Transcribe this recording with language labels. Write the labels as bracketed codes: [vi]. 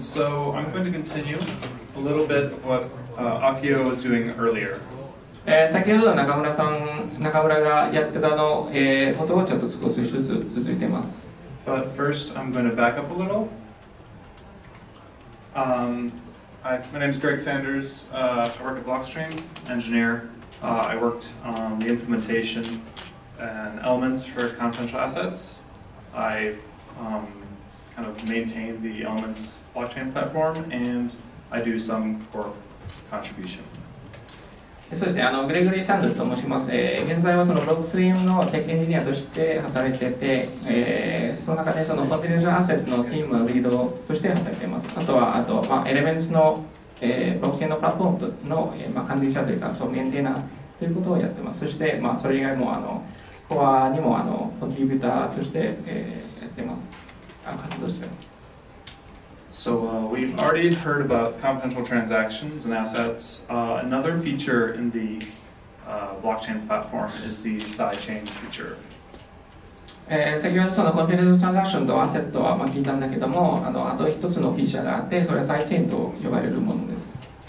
[en] So I'm going to continue a little bit of what Akio was doing earlier. [ja] 先ほど中村さん、中村がやってたの、ことをちょっと少しずつ続いてます。 [en] But first, I'm going to back up a little. My name is Greg Sanders. I work at Blockstream, engineer. I worked on the implementation and elements for confidential assets. I kind of maintain the elements blockchain platform, and I do some core contribution. [ja] そうですね、グレゴリー・サンドスと申します。現在はそのブロックストリームのテックエンジニアとして働いていて、その中でそのコンティネーションアセッツのチームのリードとして働いています。あとは、エレメンツの、ブロックチェーンのプラットフォームの、管理者というか、そのメンテナーということをやっています。そして、それ以外もコアにもコンティビューターとして、やっています。活動しています。 [en] So we've already heard about confidential transactions and assets. Another feature in the blockchain platform is the sidechain feature. [ja] 先ほどそのコンティネーショントランザクションとアセットは聞いたんだけども、あと一つのフィーチャーがあって、それはサイチェーンと呼ばれるものです。